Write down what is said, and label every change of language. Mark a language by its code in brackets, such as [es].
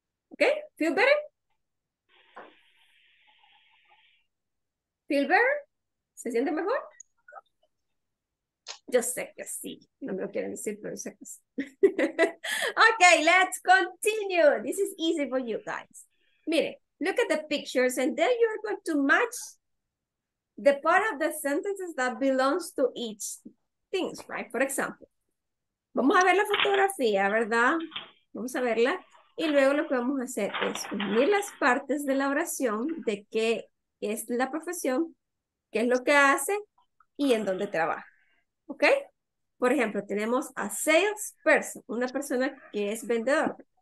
[en] Okay, feel better? Feel better? [es] ¿Se siente mejor? Yo sé que sí. No me lo quieren decir, pero sé que sí. [en] Okay, let's continue. This is easy for you guys. [es] Mire, [en] look at the pictures and then you're going to match the part of the sentences that belongs to each thing, right? For example, [es] vamos a ver la fotografía, ¿verdad? Vamos a verla. Y luego lo que vamos a hacer es unir las partes de la oración de qué es la profesión, qué es lo que hace y en dónde trabaja. ¿Ok? Por ejemplo, tenemos a salesperson, una persona que es vendedor.